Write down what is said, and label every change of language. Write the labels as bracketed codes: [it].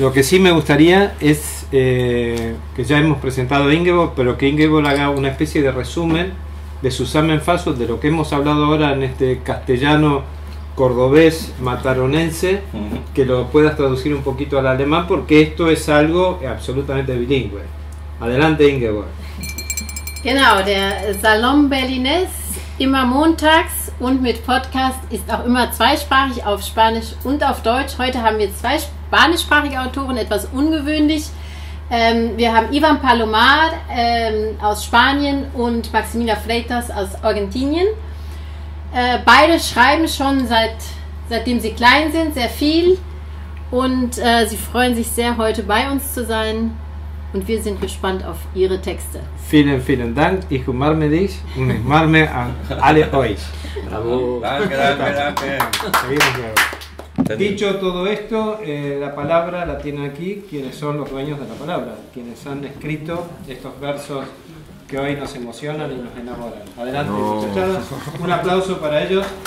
[es] Lo que sí me gustaría es que ya hemos presentado a Ingeborg, pero que Ingeborg haga una especie de resumen de Susamen Fasum, de lo que hemos hablado ahora en este castellano cordobés mataronense, que lo puedas traducir un poquito al alemán, porque esto es algo absolutamente bilingüe. Adelante, Ingeborg. [de] Genau, der Salon Berlinés, immer montags und mit Podcast, ist auch immer zweisprachig auf Spanisch und auf Deutsch. Heute haben wir zwei spanischsprachige Autoren, etwas ungewöhnlich. Wir haben Iván Palomar aus Spanien und Maximiliano Freites aus Argentinien. Beide schreiben schon seitdem sie klein sind, sehr viel. Und sie freuen sich sehr, heute bei uns zu sein. Und wir sind gespannt auf ihre Texte. Vielen, vielen Dank. Ich umarme dich und ich umarme alle euch. Bravo. Danke. [es] Dicho todo esto, la palabra la tienen aquí quienes son los dueños de la palabra, quienes han escrito estos versos que hoy nos emocionan y nos enamoran. Adelante, muchachos. Un aplauso para ellos.